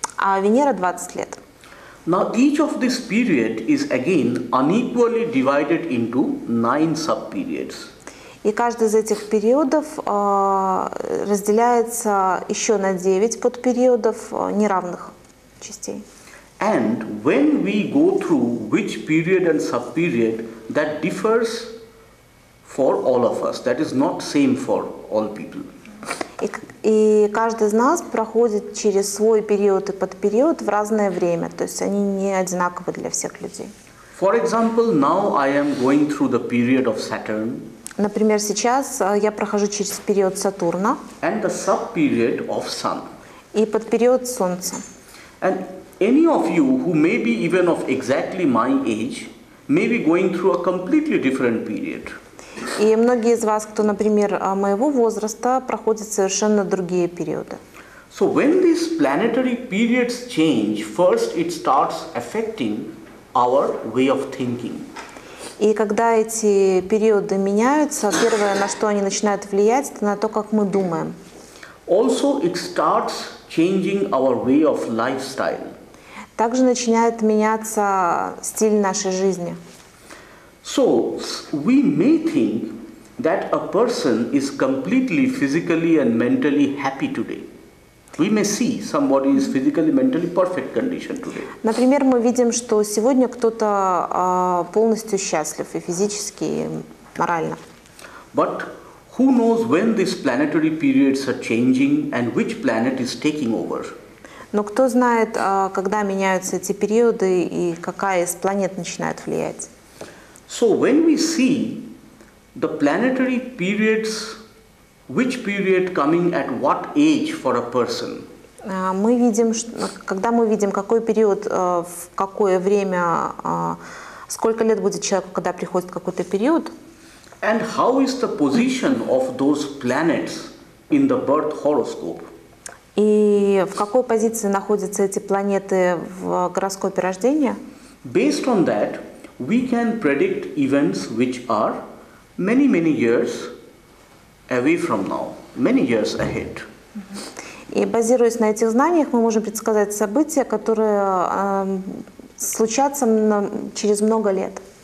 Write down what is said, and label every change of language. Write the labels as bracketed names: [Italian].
[Russian] А Венера 20 лет. [English] Now each of this period is again unequally divided into 9 sub-periods. [Russian] И каждый из этих периодов разделяется еще на 9 подпериодов неравных частей. [English] And when we go through which period and sub-period, that differs for all of us. That is not same for all people. [Russian] И каждый из нас проходит через свой период и подпериод в разное время. То есть они не одинаковы для всех людей. [English] For example, now I am going through the period of Saturn. [Russian] Например, сейчас я прохожу через период Сатурна. [English] And the sub-period of Sun. [Russian] И подпериод Солнца. [English] And any of you who may be even of exactly my age may be going through a completely different period. [Russian] И многие из вас, кто, например, моего возраста, проходят совершенно другие периоды. [English] So when these planetary periods change, first it starts affecting our way of thinking. [Russian] И когда эти периоды меняются, первое, на что они начинают влиять, это на то, как мы думаем. [English] Also it starts changing our way of lifestyle. [Russian] Также начинает меняться стиль нашей жизни. [English] So we may think that a person is completely physically and mentally happy today. We may see somebody is physically, mentally perfect condition today. [Russian] Например, мы видим, что сегодня кто-то полностью счастлив и физически, и морально. [English] But who knows when these planetary periods are changing and which planet is taking over? [Russian] Но кто знает, когда меняются эти периоды и какая из планет начинает влиять? [English] So when we see the planetary periods, which period coming at what age for a person? [Russian] Мы видим, что, когда мы видим, какой период, в какое время, сколько лет будет человеку, когда приходит какой-то период? [English] And how is the position of those planets in the birth horoscope? [Russian] И в какой позиции находятся эти планеты в гороскопе рождения? [English] Based on that, we can predict events which are many, many years away from now, many years ahead. [Russian] И базируясь на этих знаниях, мы можем предсказать события, которые случатся через много лет.